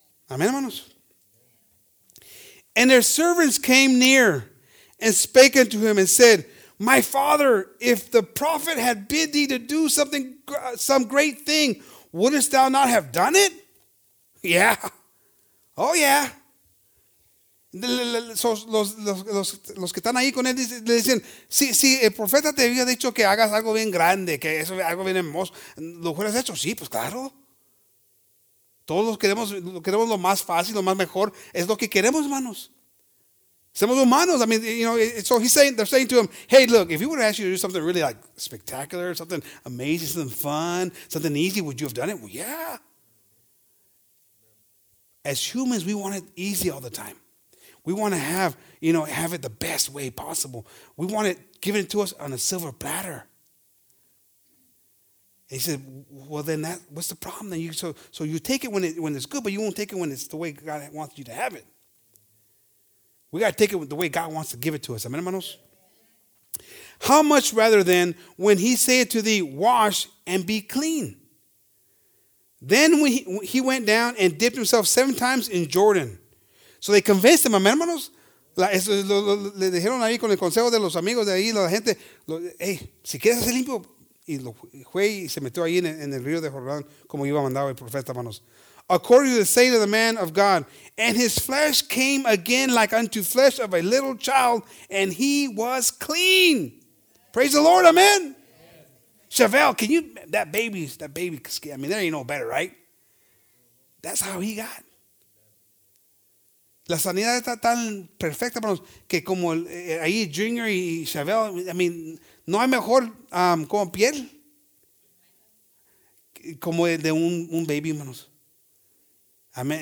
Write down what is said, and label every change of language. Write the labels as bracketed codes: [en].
[en] Amen, hermanos. And their servants came near and spake unto him and said, my father, if the prophet had bid thee to do something, some great thing, wouldest thou not have done it? Yeah. Oh, yeah. [es] Los que están ahí con él le dicen, si el profeta te había dicho que hagas algo bien grande, que eso algo bien hermoso, ¿lo hubieras hecho? Sí, pues claro. Todos queremos lo más fácil, lo más mejor. Es lo que queremos, hermanos. Somos humanos. [en] I mean, you know, so they're saying to him, hey, look, if he would have asked you to do something really like spectacular, something amazing, something fun, something easy, would you have done it? Well, yeah. As humans, we want it easy all the time. We want to have it the best way possible. We want it given to us on a silver platter. And he said, well, then that, what's the problem? Then so you take it when it's good, but you won't take it when it's the way God wants you to have it. We got to take it the way God wants to give it to us. Amen, hermanos? How much rather then when he saith to thee, wash and be clean? Then he went down and dipped himself 7 times in Jordan. So they convinced him, amen, hermanos? Le dijeron ahí con el consejo de los amigos de ahí, la gente, hey, si quieres hacer limpio, y lo fue y se metió ahí en el río de Jordán, como iba mandado el profeta, hermanos. According to the saying of the man of God, and his flesh came again like unto flesh of a little child, and he was clean. Praise the Lord, amen. Chevelle, can you, that baby, I mean, there ain't no better, right? That's how he got. [es] La sanidad está tan perfecta, hermanos, que como ahí Junior y Chevelle, [en] I mean, [es] no hay mejor como piel como de un baby, hermanos. Amén.